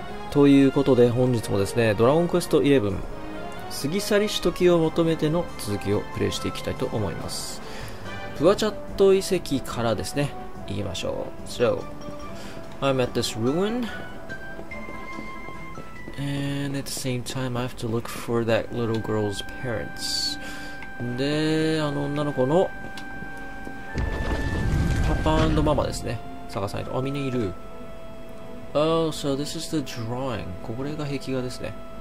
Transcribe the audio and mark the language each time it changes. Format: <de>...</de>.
<ja>ということで本日もですね、ドラゴンクエスト11過ぎ去りし時を求めての続きをプレイしていきたいと思います。プワチャット遺跡からですね、行きましょう。</ja> <en>So, I'm at this ruin. And at the same time, I have to look for that little girl's parents.</en> <ja>で、あの女の子のパパ&ママですね。探さないと。あ、みんないる。</ja> <en>Oh, so this is the drawing.</en> <ja>これが壁画ですね。</ja>